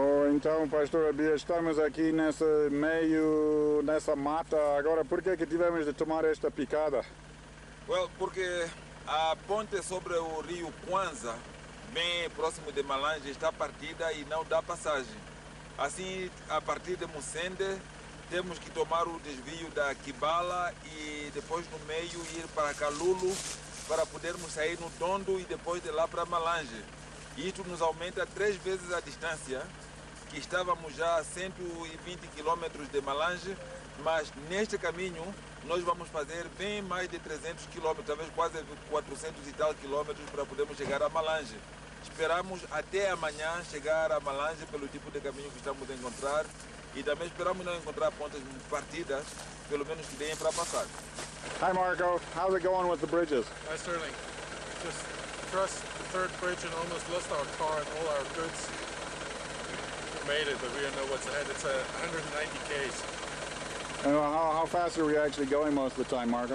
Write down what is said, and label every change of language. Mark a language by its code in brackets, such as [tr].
[pt] Então, pastor Abia, estamos aqui nesse meio, nessa mata. Agora, por que tivemos de tomar esta picada? Porque a ponte sobre o rio Kwanza bem próximo de Malange, está partida e não dá passagem. Assim, a partir de Mussende, temos que tomar o desvio da Kibala e depois no meio ir para Kalulu para podermos sair no Dondo e depois de lá para Malange. Isto nos aumenta 3 vezes a distância, que estávamos já a 120 km de Malange, mas neste caminho nós vamos fazer bem mais de 300 km, talvez quase 400 e tal quilômetros para podermos chegar a Malange. Esperamos até amanhã chegar a Malange pelo tipo de caminho que estamos a encontrar e também esperamos não encontrar pontas partidas, pelo menos que deem para passar. [en] Hi Marco, how's it going with the bridges? Hi Sterling, just crossed the third bridge and almost lost our car and all our goods. We made it, but we don't know what's ahead. It's 190 km. And how fast are we actually going most of the time, Marco?